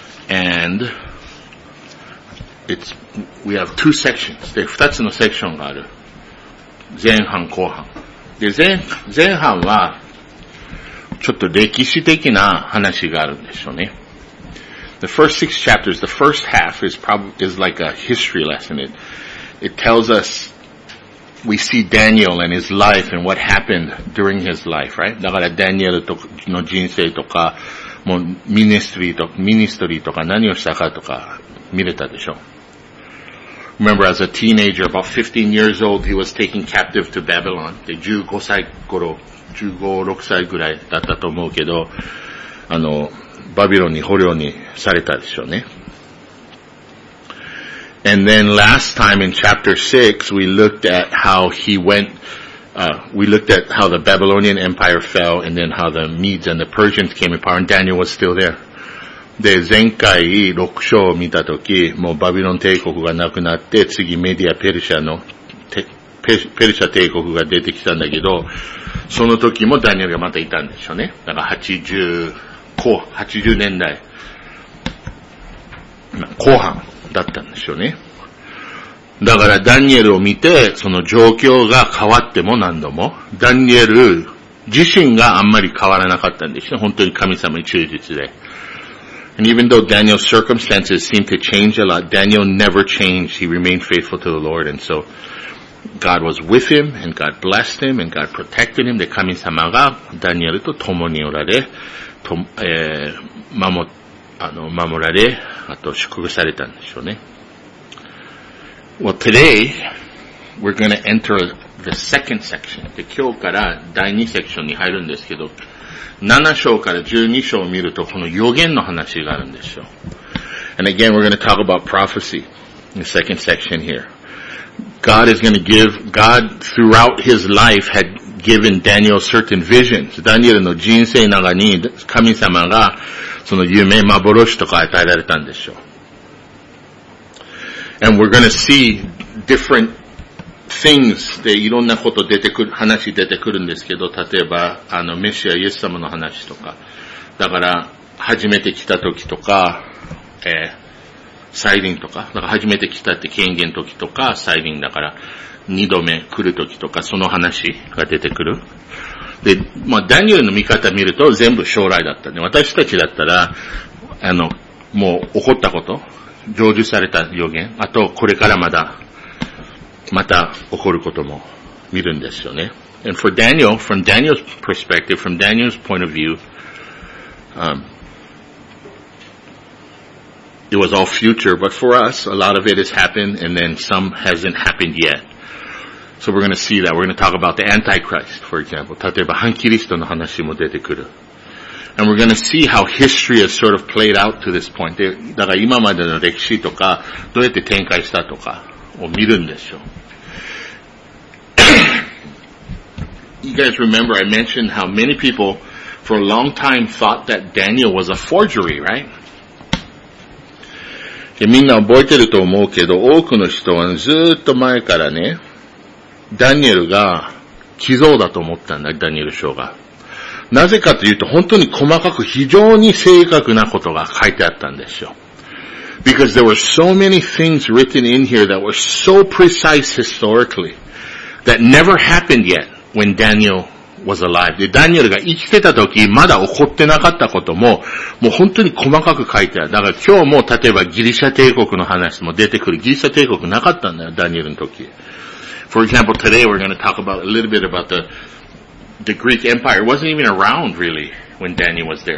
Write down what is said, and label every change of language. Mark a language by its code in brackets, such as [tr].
[en] And it's, we have two sections. [ja] で、2つのセクションがある。前半、後半。で、前半は、ちょっと歴史的な話があるんでしょうね。 [en] The first six chapters, the first half is like a history lesson. It tells us, we see Daniel and his life and what happened during his life, right? [ja] だからダニエルの人生とか、もうミニストリーとか何をしたかとか見れたでしょ。 [en] Remember, as a teenager, about 15 years old, he was taken captive to Babylon. [ja] で、15、6歳ぐらいだったと思うけど、バビロンに捕虜にされたでしょうね。 [en] And then last time in chapter 6, we looked at how the Babylonian Empire fell, and then how the Medes and the Persians came apart, and Daniel was still there. [ja] で、前回6章を見たとき、もうバビロン帝国がなくなって、次メディアペルシャ帝国が出てきたんだけど、その時もダニエルがまたいたんでしょうね。だから80年代、後半だったんでしょうね。だからダニエルを見て、その状況が変わっても何度も、ダニエル自身があんまり変わらなかったんですね。本当に神様に忠実で。 [en] And even though Daniel's circumstances seemed to change a lot, Daniel never changed. He remained faithful to the Lord. And so, God was with him, and God blessed him, and God protected him. [ja] で、神様がダニエルと共におられ、守られ、あと祝福されたんでしょうね。 [en] Well, today, we're going to enter the second section. [ja] で、今日から第二セクションに入るんですけど、7章から12章を見ると、この予言の話があるんですよ。 [en] And again, we're going to talk about prophecy in the second section here. God throughout his life had given Daniel certain visions. [ja] ダニエルの人生の中に神様がその夢、幻とか与えられたんですよ。 [en] And we're going to see different things [ja] でいろんなこと出てくる、話出てくるんですけど、例えば、メシア・イエス様の話とか、だから、初めて来た時とか、再臨とか、だから初めて来たって権限時とか、再臨だから、二度目来る時とか、その話が出てくる。で、まあ、ダニエルの見方見ると全部将来だったね。私たちだったら、もう起こったこと、成就された予言、あと、これからまだ、また起こることも見るんですよね。 [en] And for Daniel, from Daniel's perspective, from Daniel's point of view, it was all future, but for us, a lot of it has happened, and then some hasn't happened yet. So we're going to see that. We're going to talk about the Antichrist, for example. [ja] 例えば、反キリストの話も出てくる。 [en] And we're going to see how history has sort of played out to this point. [ja] だから今までの歴史とか、どうやって展開したとか、を見るんでしょう。 [en] You guys remember I mentioned how many people for a long time thought that Daniel was a forgery, right? [ja] みんな覚えてると思うけど、多くの人はずっと前からね、ダニエルが偽造だと思ったんだ、ダニエル書が。なぜかというと、本当に細かく非常に正確なことが書いてあったんですよ。 [en] Because there were so many things written in here that were so precise historically that never happened yet when Daniel was alive. [ja] で、ダニエルが生きてた時、まだ起こってなかったことも、もう本当に細かく書いてある。だから今日も、例えばギリシャ帝国の話も出てくる。ギリシャ帝国なかったんだよ、ダニエルの時。 [en] For example, today we're going to talk about a little bit about the Greek Empire. It wasn't even around really when Daniel was there.